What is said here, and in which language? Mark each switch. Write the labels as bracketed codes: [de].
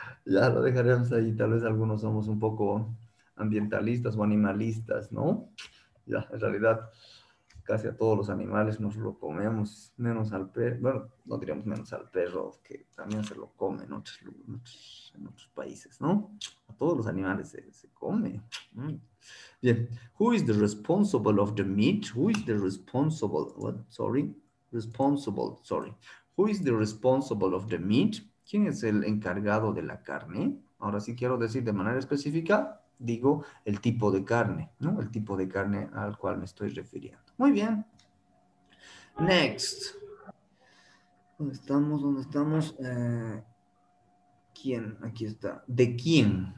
[es] Ya lo dejaremos ahí. Tal vez algunos somos un poco ambientalistas o animalistas, ¿no? Ya, en realidad, casi a todos los animales nos lo comemos, menos al perro. Bueno, no diríamos menos al perro, que también se lo come en otros países, ¿no? A todos los animales se come. Bien. [en] Who is the responsible of the meat? Who is the responsible? What? Sorry. Responsible, sorry. Who is the responsible of the meat? [es] ¿Quién es el encargado de la carne? Ahora sí quiero decir de manera específica, digo el tipo de carne, ¿no? El tipo de carne al cual me estoy refiriendo. Muy bien. Next. ¿Dónde estamos? ¿Dónde estamos? ¿Quién? Aquí está. ¿De quién?